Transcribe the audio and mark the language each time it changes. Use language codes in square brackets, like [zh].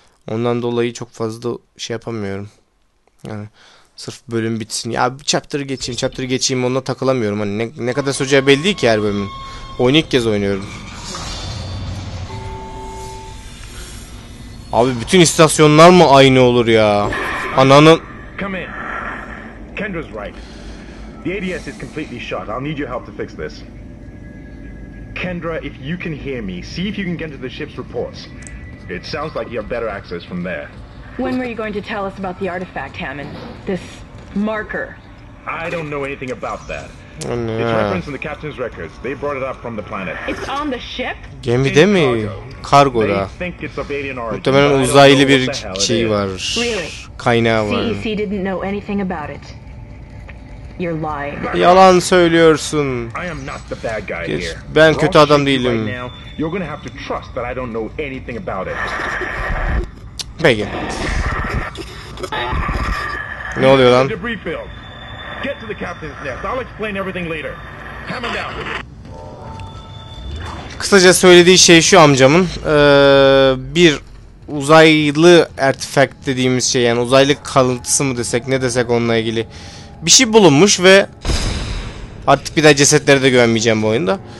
[tr] Ondan dolayı çok fazla şey yapamıyorum. Yani sırf bölüm bitsin. Ya bir chapter'ı geçeyim, chapter'ı geçeyim, onunla takılamıyorum. Hani ne kadar süreceği belli değil ki her bölümün. Oyunu ilk kez oynuyorum. Abi bütün istasyonlar mı aynı olur ya? Ananın... [en] Kendra's right. The ADS is completely shut. I'll need your help to fix this. Kendra, if you can hear me, see if you can get into the ship's reports. It sounds like you have better access from there. When were you going to tell us about the artifact, Hammond? This marker. I don't know anything about that. Oh, yeah. It's referenced in the captain's records. They brought it up from the planet. It's on the ship? [tr] Gemide mi? Kargoda. Muhtemelen uzaylı bir şey var. Kaynağı var. [en] CEC didn't know anything about it. You're lying. [tr] Yalan söylüyorsun. [en] I am not the bad guy here. [tr] Ben kötü adam değilim. [en] You're gonna have to trust that I don't know anything about it. [tr] Peki. Ne oluyor lan? [en] Get to the captain's nest. I'll explain everything later. Hammond out. [tr] Kısaca söylediği şey şu amcamın. Bir uzaylı artifact dediğimiz şey, yani uzaylı kalıntısı mı desek ne desek onunla ilgili bir şey bulunmuş ve artık bir daha cesetleri de görmeyeceğim bu oyunda.